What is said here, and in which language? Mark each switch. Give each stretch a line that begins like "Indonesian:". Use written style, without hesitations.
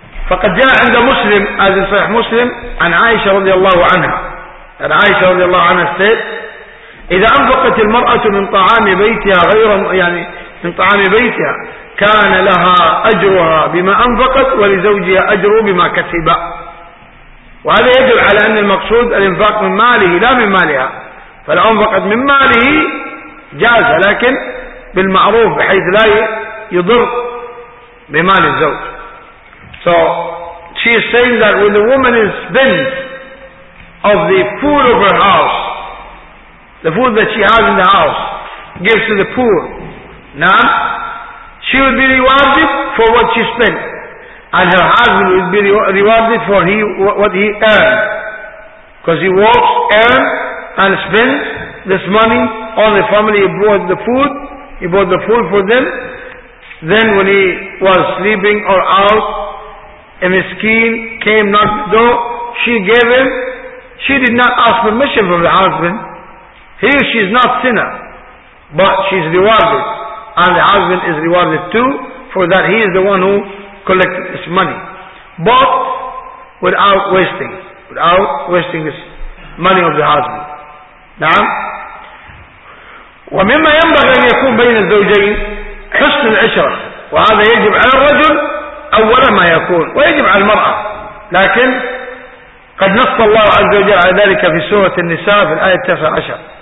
Arabic: فقد جاء عند مسلم هذا صحيح مسلم عن عائشة رضي الله عنها عن عائشة رضي الله عنها
English: said
Arabic: إذا أنفقت المرأة من طعام بيتها غير يعني من طعام بيتها كان لها أجرها بما أنفقت ولزوجها أجره بما كسب. وهذا يدل على أن المقصود الإنفاق من ماله لا من مالها، فلو أنفقت من ماله جاز لكن بالمعروف بحيث لا يضر بمال الزوج.
English: So she is saying that when the woman is spent of the food of her house, the food that she has in the house, gives to the poor, now she will be rewarded for what she spent, and her husband will be rewarded for what he earned, because he works, earns, and spends this money. All the family bought the food, he bought the food for them. Then when he was sleeping or out, a miskin came knocked the door, she gave him, she did not ask permission from the husband. Here she is not sinner, but she is rewarded, and the husband is rewarded too, for that he is the one who collected this money. But without wasting this money of the husband. Now,
Arabic: ومما ينبغي أن يكون بين الزوجين حسن العشرة، وهذا يجب على الرجل أول ما يكون ويجب على المرأة، لكن قد نص الله عز وجل على ذلك في سورة النساء في الآية 19.